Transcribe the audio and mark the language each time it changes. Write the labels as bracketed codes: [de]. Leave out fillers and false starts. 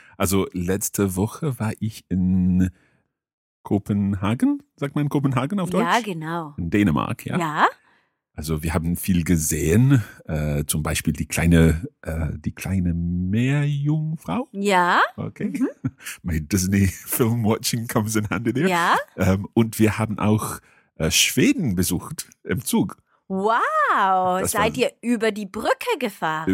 [de] Also letzte Woche war ich in Kopenhagen, sagt man Kopenhagen auf Deutsch? Ja, genau. In Dänemark, ja. Ja. Also wir haben viel gesehen, zum Beispiel die kleine Meerjungfrau. Ja. Okay. Mhm. [en] My Disney film watching comes in handy there. [de] Ja. Und wir haben auch Schweden besucht im Zug. Wow, das seid ihr über die Brücke gefahren?